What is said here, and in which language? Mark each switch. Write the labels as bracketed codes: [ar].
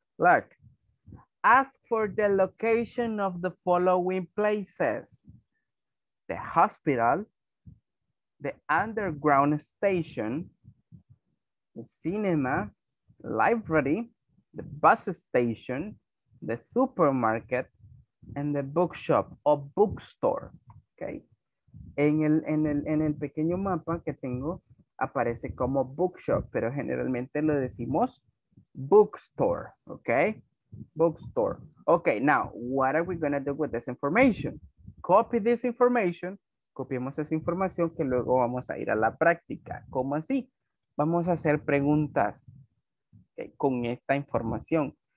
[en] Look, ask for the location of the following places: the hospital, the underground station, the cinema, library, the bus station, the supermarket, and the bookshop or bookstore, okay? [es] En el pequeño mapa que tengo aparece como bookshop, pero generalmente lo decimos bookstore, okay? [en] Bookstore. Okay, now, what are we gonna do with this information? Copy this information. [es] Copiemos esa información que luego vamos a ir a la práctica. ¿Cómo así? Vamos a hacer preguntas, okay, con esta información.